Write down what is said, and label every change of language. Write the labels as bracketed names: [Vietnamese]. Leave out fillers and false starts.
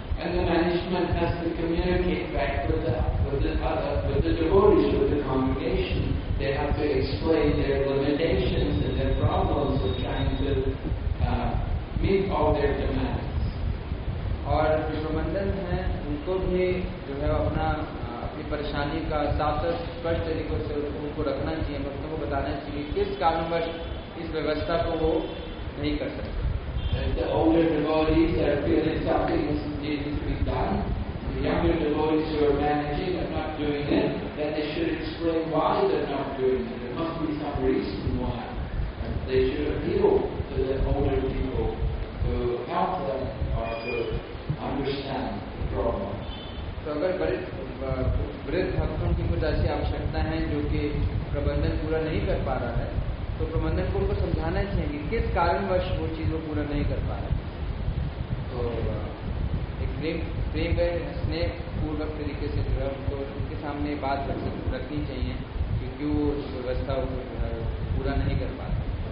[English] And the management has to communicate back to the devotees of the congregation, they have to explain their limitations and their problems of trying to meet all their demands. [Hindi] और जो प्रबंधन है उनको भी जो है अपना अपनी परेशानी का साफ साफ स्पष्ट तरीके से उनको रखना चाहिए, भक्तों को बताना चाहिए किस कारणवश इस व्यवस्था को वो नहीं कर सकते। [English] The older devotees are feeling something is needed to be done. The younger devotees who are managing are not doing it. Then they should explain why they're not doing it. There must be some reason why. And they should appeal to the older people to help them or to understand the problem. [Hindi] तो अगर वृद्ध भक्तों की कुछ ऐसी आवश्यकता है जो कि प्रबंधन पूरा नहीं कर पा रहा है तो प्रबंधन को उनको समझाना चाहिए कि किस कारणवश वो चीज़ को पूरा नहीं कर पा रहे। तो एक प्रेम स्नेह पूर्वक तरीके से जो है उनको उनके सामने बात रखनी चाहिए क्योंकि वो व्यवस्था पूरा नहीं कर पा रहे।